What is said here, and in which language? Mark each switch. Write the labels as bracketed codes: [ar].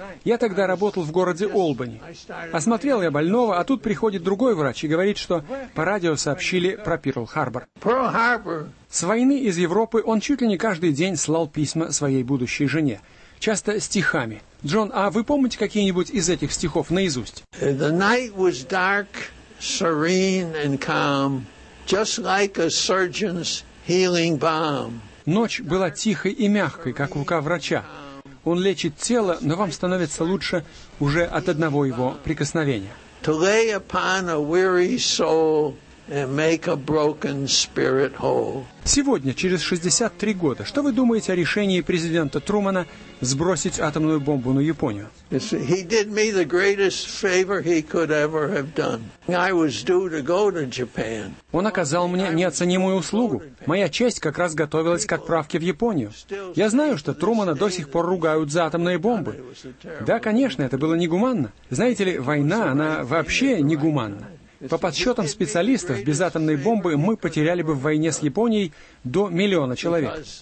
[ru] Я тогда работал в городе Олбани. Осмотрел я больного, а тут приходит другой врач и говорит, что по радио сообщили про Перл-Харбор. С войны из Европы он чуть ли не каждый день слал письма своей будущей жене. Часто стихами. Джон, а вы помните какие-нибудь из этих стихов наизусть? [en] The night was dark, serene and calm, just like a surgeon's healing balm. [ru] Ночь была тихой и мягкой, как рука врача. Он лечит тело, но вам становится лучше уже от одного его прикосновения. [en] To lay upon a weary soul and make a broken spirit whole. [ru] Сегодня, через 63 года, что вы думаете о решении президента Трумана сбросить атомную бомбу на Японию? [en] He did me the greatest favor he could ever have done. I was due to go to Japan. [ru] Он оказал мне неоценимую услугу. Моя честь как раз готовилась к отправке в Японию. Я знаю, что Трумана до сих пор ругают за атомные бомбы. Да, конечно, это было негуманно. Знаете ли, война, она вообще негуманна. По подсчетам специалистов, без атомной бомбы мы потеряли бы в войне с Японией до 1 000 000 человек.